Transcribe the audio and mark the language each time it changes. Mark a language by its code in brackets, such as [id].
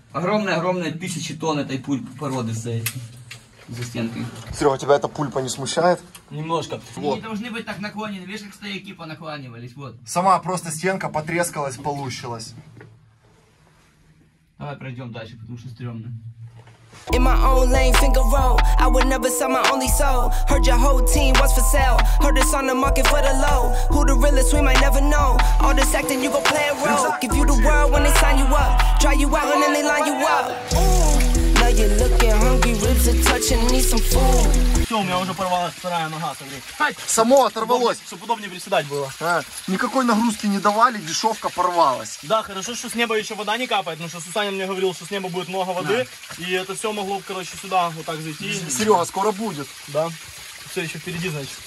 [ru] Огромные-огромные тысячи тонн этой пульпы породы за стенкой. Серега, тебя эта пульпа не смущает? Немножко. Вот. Они должны быть так наклонены, видишь, как стояки понакланивались, вот. Сама просто стенка потрескалась, получилась. Давай пройдем дальше, потому что стрёмно. [en] In my own lane, finger roll. I would never sell my only soul. Heard your whole team was for sale. Heard it's on the market for the low. Who the realest, we might never know. All this acting, you gon' play a role. Give you the world when they sign you up. Try you out and then they line you up. Ooh. Now you're looking hungry, ribs are touching, need some food. [ru] Все, у меня уже порвалась вторая нога, смотри. Само оторвалось. Чтоб удобнее приседать было. Никакой нагрузки не давали, дешевка порвалась. Да, хорошо, что с неба еще вода не капает, потому что Сусаня мне говорил, что с неба будет много воды. Да. И это все могло, короче, сюда вот так зайти. Серега, скоро будет. Да. Все еще впереди, значит.